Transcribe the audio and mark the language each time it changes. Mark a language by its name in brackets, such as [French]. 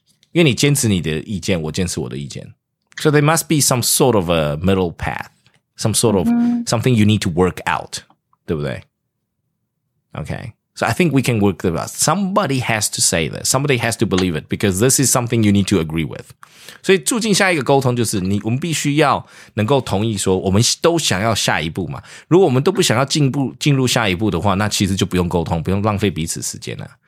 [Chinese] 因为你坚持你的意见我坚持我的意见。 [English] So there must be some sort of a middle path. Some sort of something you need to work out. [Chinese] 对不对 [English] Okay. So I think we can work with us. Somebody has to say this. Somebody has to believe it. Because this is something you need to agree with. [Chinese] 所以促进下一个沟通就是我们必须要能够同意说我们都想要下一步嘛。如果我们都不想要进入下一步的话，那其实就不用沟通，不用浪费彼此时间了。